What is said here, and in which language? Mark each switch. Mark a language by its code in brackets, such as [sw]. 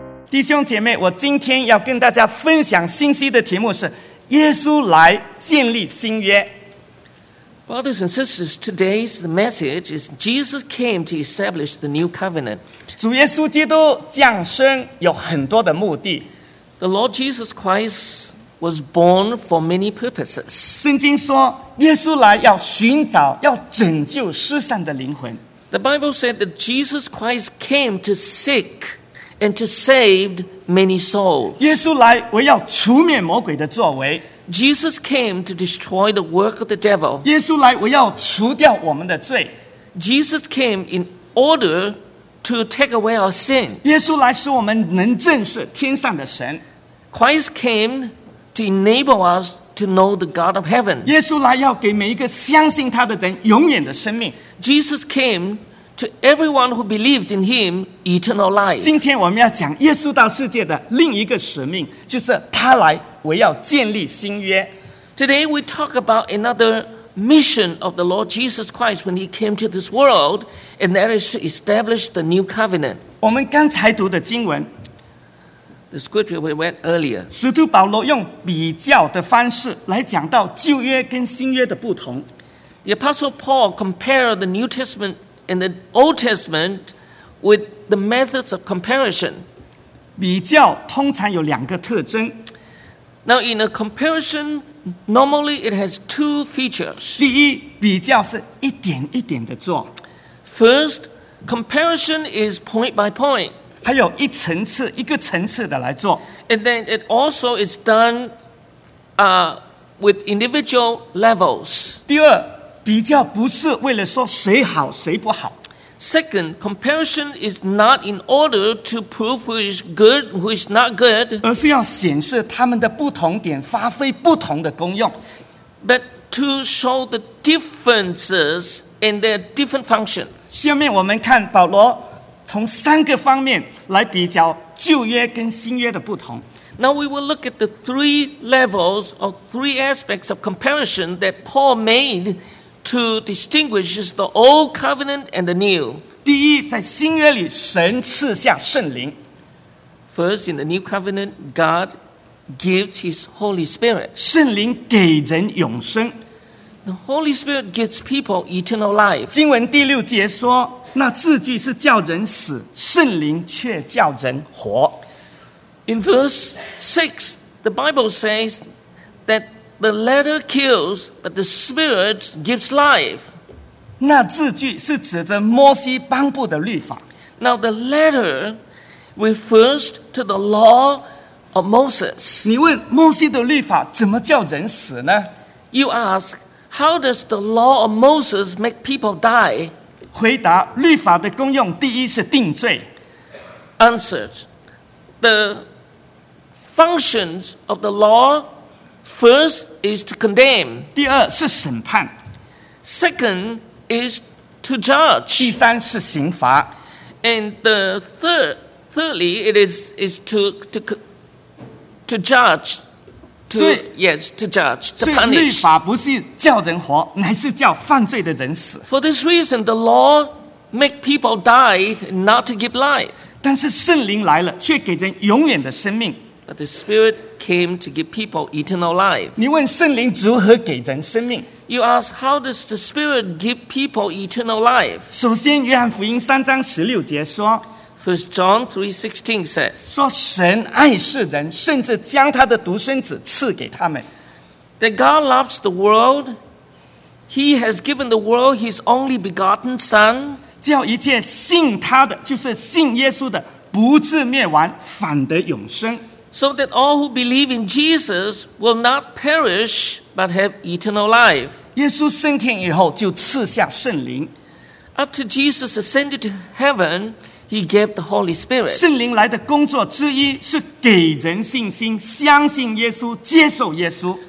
[zh] 弟兄姐妹，我今天要跟大家分享信息的题目是耶稣来建立新约。 [en] Brothers and sisters, today's message is Jesus came to establish the new covenant. [zh] 主耶稣基督降生有很多的目的。 [en] The Lord Jesus Christ was born for many purposes. [zh] 圣经说耶稣来要寻找要拯救失散的灵魂。 [en] The Bible said that Jesus Christ came to seek and to save many souls. [zh] 耶稣来为要除灭魔鬼的作为。 [en] Jesus came to destroy the work of the devil. [zh] 耶稣来为要除掉我们的罪。 [en] Jesus came in order to take away our sin. [zh] 耶稣来使我们能认识天上的神。 [en] Christ came to enable us to know the God of heaven. [zh] 耶稣来要给每一个相信他的人永远的生命。 [en] Jesus came to everyone who believes in him eternal life. [zh] 今天我们要讲耶稣到世界的另一个使命，就是他来为要建立新约。 [en] Today we talk about another mission of the Lord Jesus Christ when he came to this world, and that is to establish the new covenant. [zh] 我们刚才读的经文， [en] The scripture we read earlier. [zh] 使徒保罗用比较的方式来讲到旧约跟新约的不同。 [en] The Apostle Paul compared the New Testament and the Old Testament with the methods of comparison. [zh] 比较通常有两个特征。 [en] Now in a comparison, normally it has two features. [zh] 第一，比较是一点一点的做。 [en] First, comparison is point by point. [zh] 还有一层次一个层次的来做。 [en] And then it also is done with individual levels. [zh] 第二，比较不是为了说谁好谁不好。 [en] Second, comparison is not in order to prove who is good, who is not good. [zh] 而是要显示他们的不同点发挥不同的功用。 [en] But to show the differences and their different functions. [zh] 下面我们看保罗从三个方面来比较旧约跟新约的不同。 [en] Now we will look at the three levels or three aspects of comparison that Paul made to distinguish the old covenant and the new. [zh] 第一，在新约里，神赐下圣灵。 [en] First, in the new covenant, God gives his Holy Spirit. [zh] 圣灵给人永生。 [en] The Holy Spirit gives people eternal life. [zh] 经文第六节说，那字句是叫人死，圣灵却叫人活。 [en] In verse 6, the Bible says that the letter kills, but the Spirit gives life. [zh] 那字句是指着摩西颁布的律法。 [en] Now the letter refers to the law of Moses. [zh] 你问摩西的律法怎么叫人死呢？ [en] You ask, how does the law of Moses make people die? [zh] 回答，律法的功用第一是定罪。 [en] Answered, the functions of the law first is to condemn. [zh] 第二是审判。 [en] Second is to judge. [zh] 第三是刑罚。 [en] And the thirdly it is to judge. To punish. [zh] 所以律法不是叫人活，乃是叫犯罪的人死。 [en] For this reason, the law make people die, not to give life. [zh] 但是圣灵来了，却给人永远的生命。 [en] But the Spirit came to give people eternal life. [zh] 你问圣灵如何给人生命？ [en] You ask, how does the Spirit give people eternal life? [zh] 首先，约翰福音三章十六节说， [en] First John 3:16 says, [zh] 说神爱世人，甚至将他的独生子赐给他们。 [en] That God loves the world, he has given the world his only begotten son, [zh] 叫一切信他的，就是信耶稣的，不至灭亡，反得永生。 [en] So that all who believe in Jesus will not perish, but have eternal life. [zh] 耶稣升天以后就赐下圣灵。 [en] Up to Jesus ascended to heaven,He gave the Holy Spirit. [zh] 圣灵来的工作之一是给人信心，相信耶稣，接受耶稣。